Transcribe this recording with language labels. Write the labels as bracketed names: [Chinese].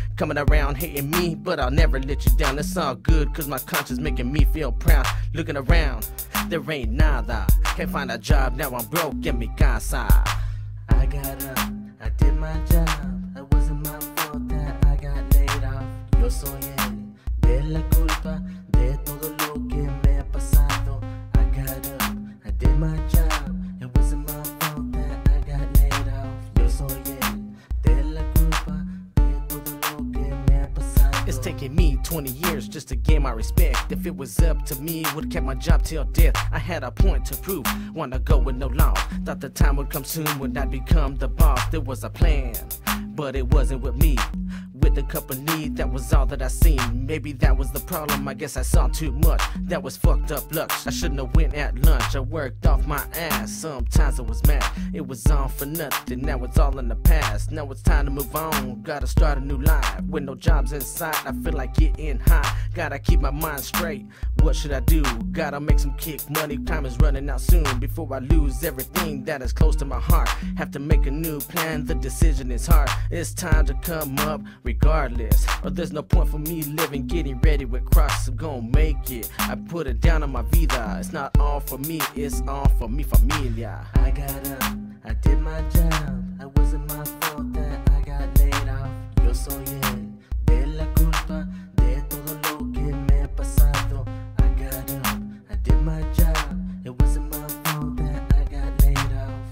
[English] Coming around hating me, but I'll never let you down. It's all good, cause my conscience making me feel proud. Looking around, there ain't nada. Can't find a job, now I'm broke in [Spanish] mi casa. [English] I got up, I did my job. It wasn't my fault that I got laid off. [Spanish] Yo soy el de la culpa de todo lo que me ha pasado. [English] I got up, I did my job. It wasn't my fault that I got laid off. [Spanish] Yo soy el de la culpa de todo lo que me ha pasado. [English] It's taking me 20 years just to gain my respect. If it was up to me, would've kept my job till death. I had a point to prove, wanna go with no law. Thought the time would come soon when I'd become the boss. There was a plan, but it wasn't with me. With the company, that was all that I seen. Maybe that was the problem, I guess I saw too much. That was fucked up luck, I shouldn't have went at lunch. I worked off my ass, sometimes I was mad. It was all for nothing, now it's all in the past. Now it's time to move on, gotta start a new life. With no jobs in sight, I feel like getting high. Gotta keep my mind straight, what should I do? Gotta make some kick money, time is running out soon. Before I lose everything that is close to my heart. Have to make a new plan, the decision is hard. It's time to come up regardless, or there's no point for me living, getting ready with cross. I'm gonna make it, I put it down on my vida. It's not all for me, it's all for [Spanish] mi familia. [English] I got up, I did my job. It wasn't my fault that I got laid off. [Spanish] Yo soy el de la culpa de todo lo que me ha pasado. [English] I got up, I did my job. It wasn't my fault that I got laid off.